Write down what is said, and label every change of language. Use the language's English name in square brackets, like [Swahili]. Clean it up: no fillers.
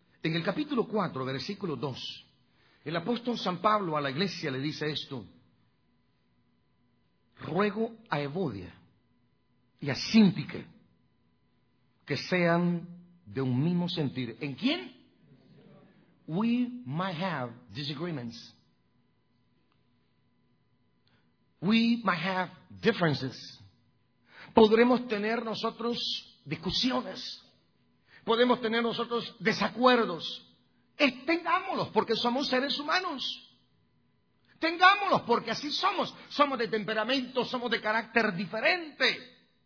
[Spanish] En el capítulo 4, versículo 2, el apóstol San Pablo a la iglesia le dice esto: ruego a Evodia y a Síntique que sean de un mismo sentir. ¿En quién? [English] We might have disagreements. We might have differences. [Spanish] Podremos tener nosotros discusiones. Podemos tener nosotros desacuerdos. Tengámoslos, porque somos seres humanos. Tengámoslos, porque así somos. Somos de temperamento, somos de carácter diferente.